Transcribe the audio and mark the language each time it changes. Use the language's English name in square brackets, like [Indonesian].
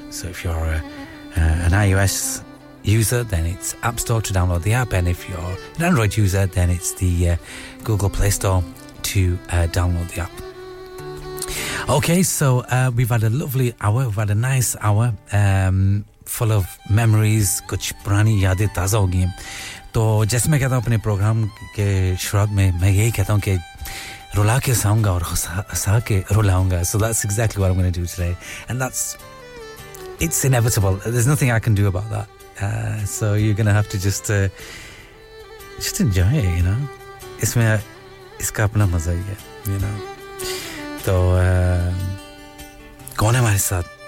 [English] So if you're an iOS user, then it's App Store to download the app. And if you're an Android user, then it's the Google Play Store to download the app. Okay, so we've had a lovely hour. We've had a nice hour. Full of memories, [Hindi] कुछ पुरानी यादें ताज़ा हो गई हैं। तो जैसे मैं कहता हूँ अपने प्रोग्राम के शुरुआत में, मैं यही कहता हूँ कि रुला के साऊंगा और हँसा के रुलाऊंगा। [English] So that's exactly what I'm going to do today, and it's inevitable. There's nothing I can do about that. So you're going to have to just enjoy it, you know. [Hindi] इसमें इसका अपना मज़ा ही है। [English] you know. So, go on, my sad.